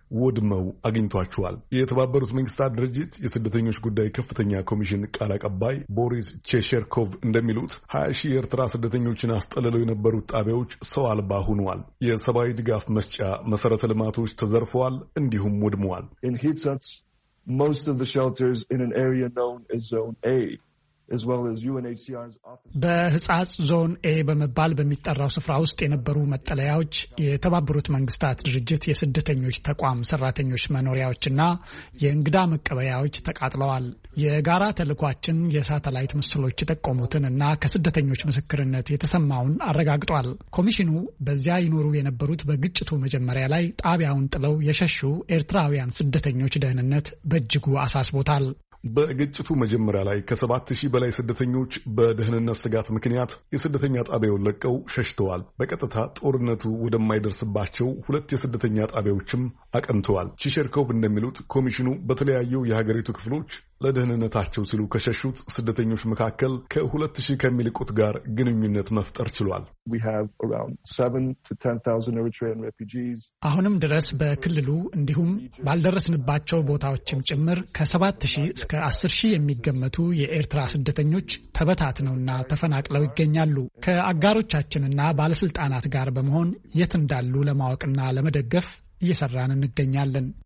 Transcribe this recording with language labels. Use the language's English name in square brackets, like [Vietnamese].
[Amharic] ወድመው አግኝቷቸዋል። የተባበሩት መንግስታት ድርጅት የስደተኞች ጉዳይ ከፍተኛ ኮሚሽን ቃል አቀባይ ቦሪስ ቼሸርኮቭ እንደሚሉት 20,000 የኤርትራ ስደተኞችን አስጠልለው የነበሩት ጣቢያዎች ሰው አልባ ሆነዋል። የሰብአዊ ድጋፍ መስጫ መሰረተ ልማቶች ተዘርፈዋል፣ እንዲሁም ወድመዋል። [English] Most of the shelters in an area known as Zone A, as well as UNHCR's office. [Amharic] በህጻጽ ዞን ኤ በመባል በሚጠራው ስፍራ ውስጥ የነበሩ መጠለያዎች፣ የተባበሩት መንግስታት ድርጅት የስደተኞች ተቋም ሰራተኞች መኖሪያዎችና የእንግዳ መቀበያዎች ተቃጥለዋል። የጋራ ተልኳችን የሳተላይት ምስሎች ተቆሙትን እና ከስደተኞች ምስክርነት የተሰማውን አረጋግጧል። ኮሚሽኑ በዚያ ይኖሩ የነበሩት በግጭቱ መጀመሪያ ላይ ጣቢያውን ጥለው የሸሹ ኤርትራውያን ስደተኞች ደህንነት በእጅጉ አሳስቦታል። በግጭቱ መጀመሪያ ላይ ከ7000 በላይ ስደተኞች በደህንነት ስጋት ምክንያት የስደተኛ ጣቢያውን ለቀው ሸሽተዋል። በቀጥታ ጦርነቱ ወደማይደርስባቸው 2 የስደተኛ ጣቢያዎችም አቀንተዋል። ቺሸርኮቭ እንደሚሉት ኮሚሽኑ በተለያዩ የሀገሪቱ ክፍሎች ለደህንነታቸው ሲሉ ከሸሹት ስደተኞች መካከል ከ2000 ከሚልቁት ጋር ግንኙነት መፍጠር ችሏል። [English] We have around 7,000 to 10,000 Eritrean refugees. [Amharic] አሁንም ድረስ በክልሉ እንዲሁም ባልደረስንባቸው ቦታዎችም ጭምር ከ7,000 [English] to [Amharic] 10,000 የሚገመቱ የኤርትራ ስደተኞች ተበታትነውና ተፈናቅለው ይገኛሉ። ከአጋሮቻችንና ባለስልጣናት ጋር በመሆን የት እንዳሉ ለማወቅና ለመደገፍ እየሰራን እንገኛለን።